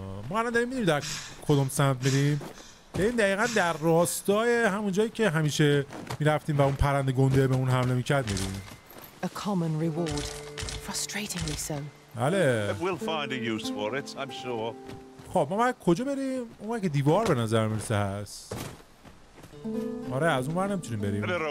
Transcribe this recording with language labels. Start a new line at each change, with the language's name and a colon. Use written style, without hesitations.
Persian: ما الان داریم میریم در کدوم سمت میریم؟ داریم دقیقاً در راستای همون جایی که همیشه میرفتیم و اون پرنده گنده به اون حمله میکرد میریم.
English: A common reward. Frustratingly so. آله. We'll find a use for it, I'm sure.
Persian: خب ما باید کجا بریم؟ اون که دیوار به نظر میرسه هست. آره از اون ور نمیتونیم بریم.